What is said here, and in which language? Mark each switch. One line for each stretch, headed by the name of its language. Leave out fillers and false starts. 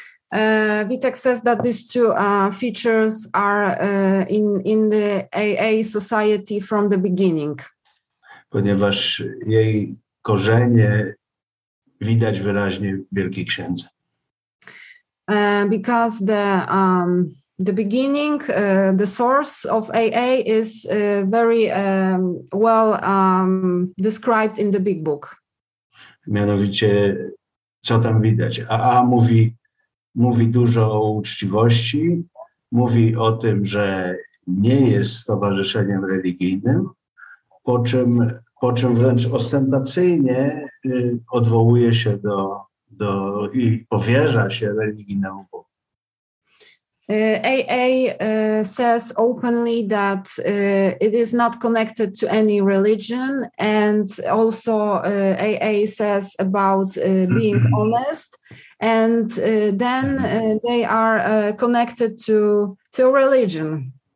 English: Witek says that these two features are in the AA society from the beginning.
Polish: Ponieważ jej korzenie widać wyraźnie w Wielkiej Księdze.
English: Because the beginning, the source of AA is very well described in the Big Book.
Polish: Mianowicie, co tam widać? AA mówi dużo o uczciwości, mówi o tym, że nie jest stowarzyszeniem religijnym, po czym wręcz ostentacyjnie odwołuje się do i powierza się religijnemu Bogu.
English: AA says openly that it is not connected to any religion, and also AA says about being honest. And then they are connected to religion.